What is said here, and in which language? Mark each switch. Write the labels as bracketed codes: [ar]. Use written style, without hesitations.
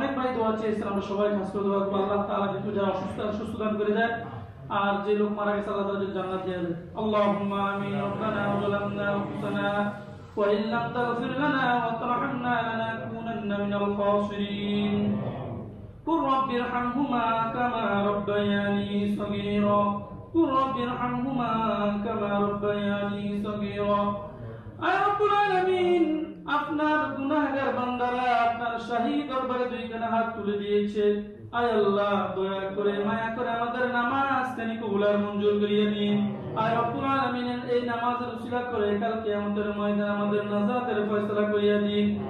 [bn] অনেক ভাই দোয়া চেয়েছেন, আমরা সবাই খাস করে দোয়া করব আল্লাহ তাআলা যেন যারা অসুস্থ আর সুস্থ দান করে দেয়, আর যে লোক মারা গেছে আল্লাহ তাদের জান্নাত দেয়। আল্লাহুম্মা আমিন। [ar] রব্বানা যালামনা আনফুসানা ওয়া ইন লাম তাগফির লানা ওয়া তারহামনা লানাকুনান্না মিনাল খাসিরিন। কুর রব্বি ইরহামহুমা কামা রাব্বায়ানি সাগীরা। قل رب ارحمهما كما ربياني صغيرا. يا رب العالمين [bn] আপনার গুনাহগার বান্দারা আপনার শাহী দরবারে দুই কানে হাত তুলে দিয়েছে, আয় আল্লাহ দয়া করে মায়া করে আমাদের নামাজ তিনি কবুলার মঞ্জুর করিয়ে নিন। আয় রব্বুল আলামিনের এই নামাজের উসিলা করে কাল কিয়ামতের ময়দানে আমাদের নাজাতের ফয়সালা করিয়া দিন।